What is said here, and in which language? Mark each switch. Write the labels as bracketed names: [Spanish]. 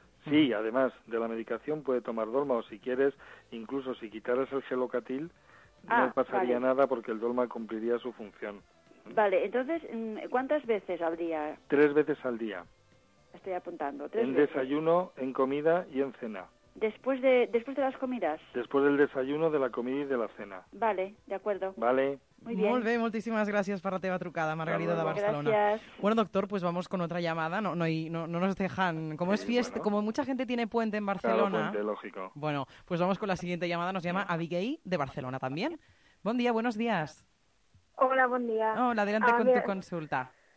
[Spanish] Sí, además de la medicación puede tomar Dolma o si quieres, incluso si quitaras el Gelocatil, no pasaría nada porque el Dolma cumpliría su función. Vale, entonces, ¿cuántas veces al día? 3 veces al día. Estoy apuntando, 3 veces. En desayuno, en comida y en cena. Después de las comidas. Después del desayuno, de la comida y de la cena. Vale, de acuerdo. Vale. Muy bien. [Catalan] Molt bé, moltíssimes gràcies per la teva trucada, Margarida de Barcelona. [Spanish] Gracias. Bueno, doctor, pues vamos con otra llamada. No nos dejan. Como es fiesta, bueno. Como mucha gente tiene puente en Barcelona. Claro, puente, lógico. Bueno, pues vamos con la siguiente llamada. Nos llama Abigail de Barcelona también. [Catalan] Bon dia, [Spanish] buenos días. [Catalan] Hola, bon dia. [Spanish] Hola, adelante con tu consulta.